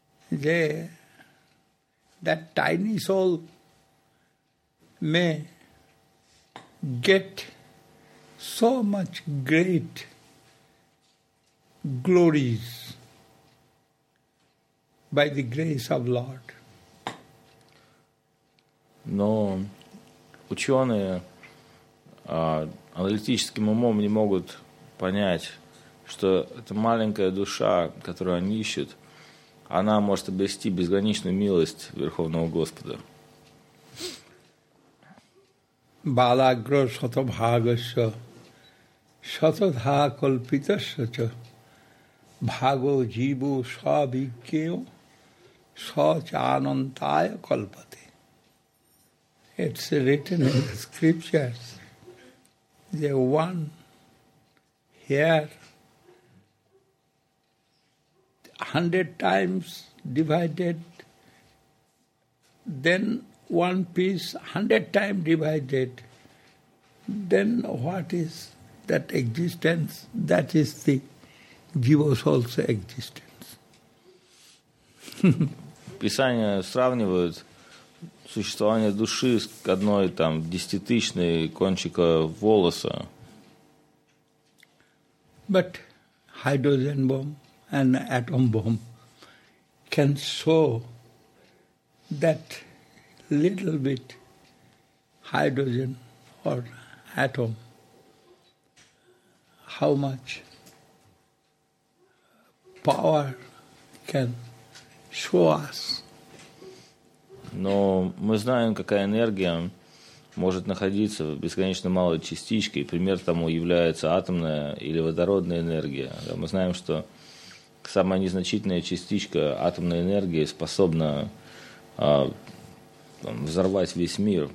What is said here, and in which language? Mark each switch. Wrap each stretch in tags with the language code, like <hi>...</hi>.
<en>That tiny soul may get so much great glories by the grace of Lord.</en> <ru>Но ученые аналитическим умом не могут понять, что эта маленькая душа, которую они ищут, она может обрести безграничную милость Верховного Господа.</ru> <sa>Балагро шатабхагаша шатадха кальпитасача бхаго джибу шабикео шачанантая кальпати.</sa> <en>It's written in the scriptures the one here 100 times divided, then one piece 100 times divided, then what is that existence? That is the jiva soul's existence.</en> <ru>Писания сравнивают существование души с одной там десятитысячной кончика волоса.</ru> <en>But hydrogen bomb. An atom bomb can show that little bit hydrogen or atom, how much power can show us.</en> <ru>Но мы знаем, какая энергия может находиться в бесконечно малой частичке. Пример тому является атомная или водородная энергия. Мы знаем, что самая незначительная частичка атомной энергии способна взорвать весь мир.</ru>